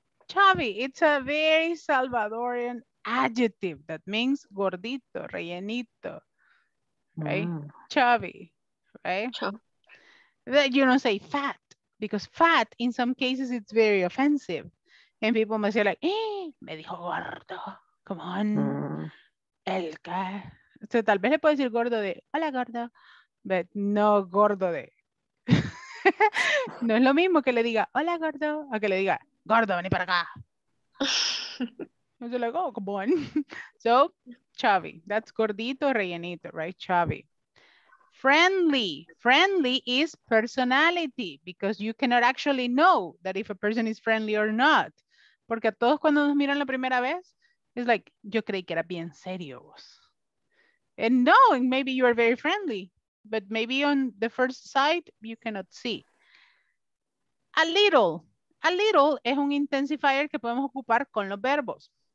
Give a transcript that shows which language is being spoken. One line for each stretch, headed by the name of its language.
English: Chubby, it's a very Salvadorian adjective that means
Spanish: gordito, rellenito,
English: right? Mm. Chubby, right? Chubby. You don't say fat, because fat, in some cases, it's very offensive. And people must say like, eh,
Spanish: me dijo gordo,
English: come on. Mm.
Spanish: El que, o sea, tal vez le puedo decir gordo de, hola gordo,
English: but
Spanish: no gordo de, no es lo mismo que le diga, hola gordo, a que le diga, gordo, vení para acá. Yo le digo,
English: oh, come on. So, chubby, that's
Spanish: gordito, rellenito,
English: right, chubby. Friendly is personality, because you cannot actually know that if a person is friendly or not,
Spanish: porque a todos cuando nos miran la primera vez,
English: It's like,
Spanish: yo creí que era bien serio.
English: And no, and maybe you are very friendly, but maybe on the first sight, you cannot see.
Spanish: A little es un intensifier que podemos ocupar con los verbos.